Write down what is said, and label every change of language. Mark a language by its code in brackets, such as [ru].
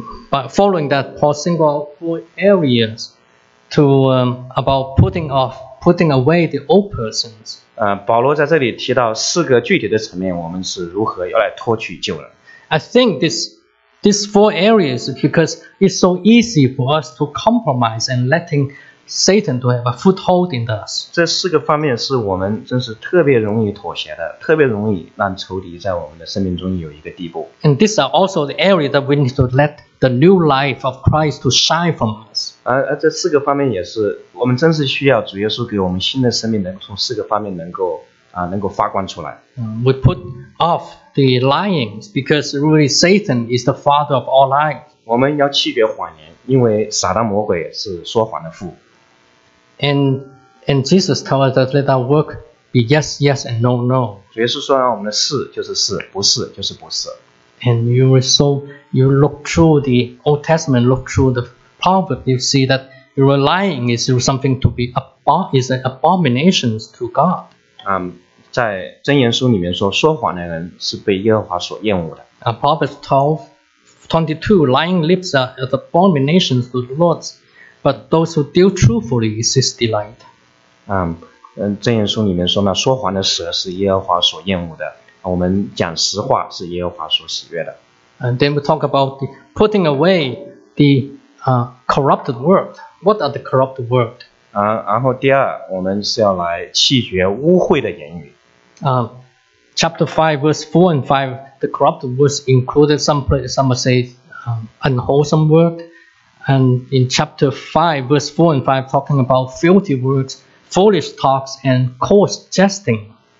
[en] But following that, Paul single out four areas to about putting away the old persons. [zh] 保罗在这里提到四个具体的层面，我们是如何要来脱去旧人。 [en] I think these four areas because it's so easy for us to compromise and letting Satan to have a foothold in us. [zh] 这四个方面是我们真是特别容易妥协的，特别容易让仇敌在我们的生命中有一个地步。 [en] And these are also the area that we need to let the new life of Christ to shine from us. [zh] 这四个方面也是我们真是需要主耶稣给我们新的生命能从四个方面能够发光出来。 [en] We put off the lying because really Satan is the father of all lies. [zh] 我们要弃绝谎言，因为撒旦魔鬼是说谎的父。 [en] And Jesus told us that let our work be yes, yes, and no, no. [zh] 主耶稣说让我们的是就是是，不是就是不是。 [en] And you look through the Old Testament, look through the Proverbs, you see that your lying is something to be is an abomination to God. [zh] 在箴言书里面说，说谎的人是被耶和华所厌恶的。 [en] Proverbs 12:22, lying lips are an abomination to the Lord. But those who deal truthfully is his delight. [zh] 箴言书里面说呢，说谎的舌是耶和华所厌恶的，我们讲实话是耶和华所喜悦的。 [en] And then we talk about the putting away the corrupted word. What are the corrupt word? [zh] 然后第二，我们是要来弃绝污秽的言语。 [en] Chapter 5, verse 4 and 5, the corrupt words included some say unwholesome word. And in chapter 5, verse 4 and 5, talking about filthy words, foolish talks, and coarse jesting.